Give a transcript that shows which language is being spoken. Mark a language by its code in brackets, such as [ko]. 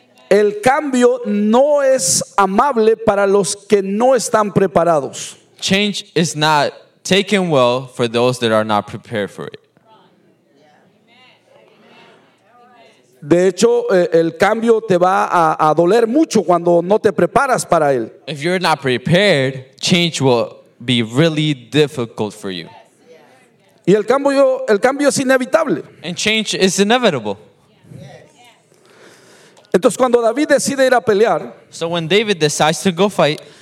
[es] El cambio no es amable para los que no están preparados. [en] Change is not taken well for those that are not prepared for it. [es] De hecho, el cambio te va a doler mucho cuando no te preparas para él. [en] If you're not prepared, change will be really difficult for you. [es] Y el cambio es inevitable. [en] And change is inevitable. [es] Entonces, cuando David decide ir a pelear, [en] so when David decides to go fight,